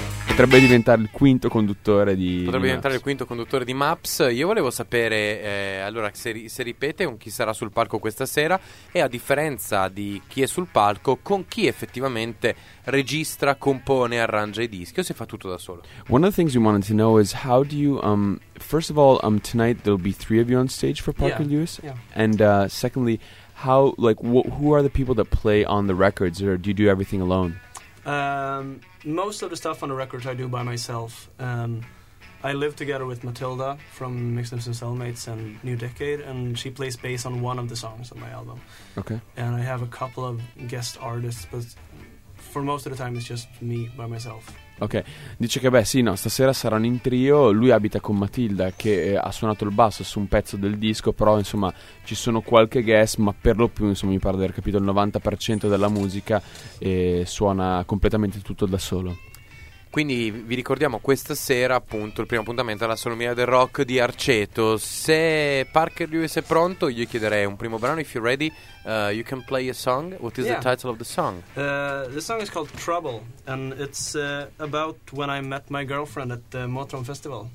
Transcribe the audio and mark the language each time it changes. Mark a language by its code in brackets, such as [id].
[it] Potrebbe diventare il quinto conduttore di Maps. Io volevo sapere, allora, se ripete con chi sarà sul palco questa sera, e a differenza di chi è sul palco, con chi effettivamente registra, compone, arrangia i dischi, o se fa tutto da solo. [en] One of the things we wanted to know is how do you, first of all, tonight there'll be 3 of you on stage for Parker Lewis, and secondly, how, like, who are the people that play on the records, or do you do everything alone? Most of the stuff on the records I do by myself. I live together with Matilda from Mixed Nips and Cellmates and New Decade, and she plays bass on one of the songs on my album. Okay. And I have a couple of guest artists, but for most of the time it's just me by myself. [it] Ok, dice che beh sì, no, stasera saranno in trio, lui abita con Matilda che ha suonato il basso su un pezzo del disco, però insomma ci sono qualche guest, ma per lo più insomma mi pare di aver capito il 90% della musica e suona completamente tutto da solo. Quindi vi ricordiamo questa sera appunto il primo appuntamento alla Salumeria del Rock di Arceto. Se Parker Lewis è pronto, io chiederei un primo brano. [en] If you're ready, you can play a song. What is the title of the song? The song is called Trouble, and it's about when I met my girlfriend at the Motron Festival.